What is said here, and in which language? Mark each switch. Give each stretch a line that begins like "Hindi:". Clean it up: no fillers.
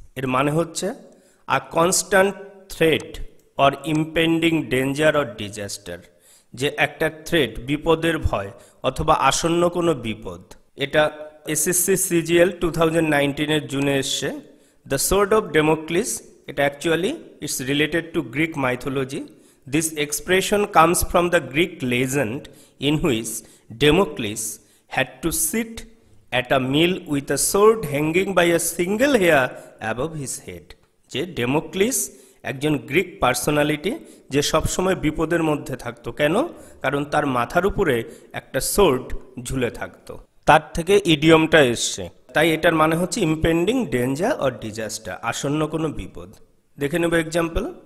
Bangla: এর মানে হচ্ছে
English: a constant threat or impending danger or disaster.
Bangla: যে একটা threat, বিপদের ভয় অথবা আসন্ন কোনো বিপদ। এটা SSC CGL 2019 এর জুনে এসেছে।
English: The sword of Damocles, it actually is related to Greek mythology. This expression comes from the Greek legend in which Damocles had to sit at a meal with a sword hanging by a single hair above his head.
Bangla: যে Damocles একজন Greek personality যে সবসময় বিপদের মধ্যে থাকতো কেন কারণ তার মাথার উপরে একটা সোর্ড ঝুলে থাকতো তার থেকে ইডিয়মটা এসেছে তাই এটার মানে হচ্ছে
English: impending danger or disaster
Bangla: আসন্ন কোনো বিপদ দেখে নেব এক্সাম্পল